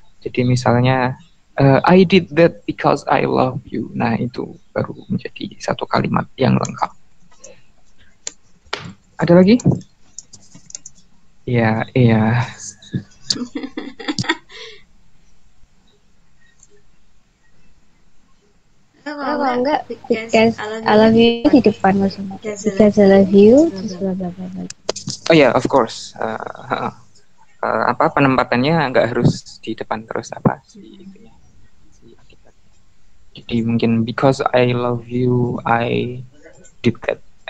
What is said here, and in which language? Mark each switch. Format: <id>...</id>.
<id>Jadi misalnya</id> <en>I did that because I love you.</en> <id>Nah, itu baru menjadi satu kalimat yang lengkap. Ada lagi? Iya, yeah, iya. Yeah. Kalau enggak,</id> <en>because I love you</en> <id>di depan maksudnya.</id> <en>Because I love you, terus blablabla. Oh ya, yeah, of course.</en> <id>Penempatannya enggak harus di depan terus apa sih. Jadi mungkin</id> <en>because I love you, I did that.</en>